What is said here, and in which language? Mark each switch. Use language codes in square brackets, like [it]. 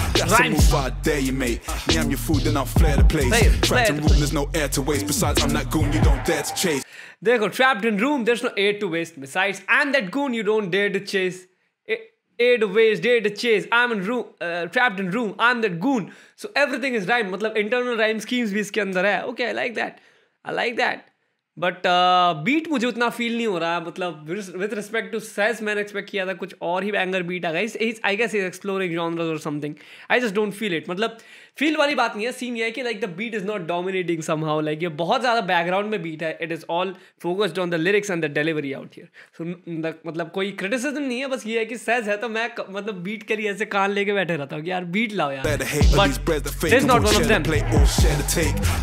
[en] That's Rhymes. A move I dare you, mate. Yam your food, then I'll flare the place. Trapped in room, there's no air to waste. Besides, I'm that goon you don't dare to chase. There you go, trapped in room, there's no air to waste. Besides, I'm that goon you don't dare to chase. I'm in room, trapped in room. I'm that goon. So everything is rhyme. [hi] मतलब internal rhyme schemes भी इसके अंदर है. [en] Okay, I like that. [hi] But beat मुझे उतना feel नहीं हो रहा. मतलब [en] with respect to [hi] Sez, मैंने expect किया था कुछ और ही banger beat आ गया. [en] I guess he's exploring genres or something. I just don't feel it. [hi] मतलब feel वाली बात नहीं है. [en] Scene [hi] ये है कि [en] like the beat is not dominating somehow. [hi] Like ये बहुत ज़्यादा background में beat है. [en] It is all focused on the lyrics and the delivery out here. [hi] So the, मतलब कोई criticism नहीं है. बस ये है कि Sez है तो मैं मतलब beat के लिए ऐसे कान लेके बैठे रहता हूँ कि यार beat लाओ यार. [en] But this is not one of them.